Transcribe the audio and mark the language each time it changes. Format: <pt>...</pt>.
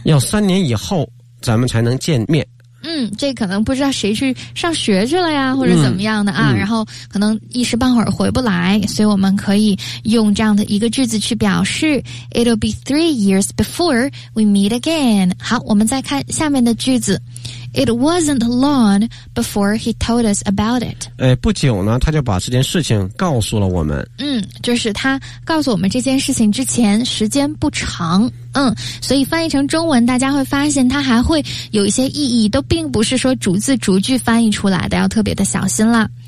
<zh>要3年以后咱们才能见面。嗯，这可能不知道谁去上学去了呀或者怎么样的啊，然后可能一时半会儿回不来，所以我们可以用这样的一个句子去表示。</zh> <en>It'll be 3 years before we meet again。</en> <zh>好，我们再看下面的句子。</zh> <en>It wasn't long before he told us about it。</en> <zh>哎，不久呢他就把这件事情告诉了我们。嗯，就是他告诉我们这件事情之前时间不长。嗯，所以翻译成中文大家会发现它还会有一些意义，都并不是说逐字逐句翻译出来的，要特别的小心了。</zh>